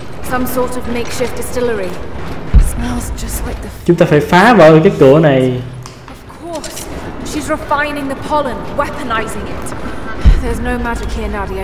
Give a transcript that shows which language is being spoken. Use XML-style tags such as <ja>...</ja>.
<en>Some sort of makeshift distillery. Smells just like the.</en> <vi>Chúng ta phải phá vỡ cái cửa này.</vi> <en>Of course, she's refining the pollen, weaponizing it. There's no magic here, Nadia.</en>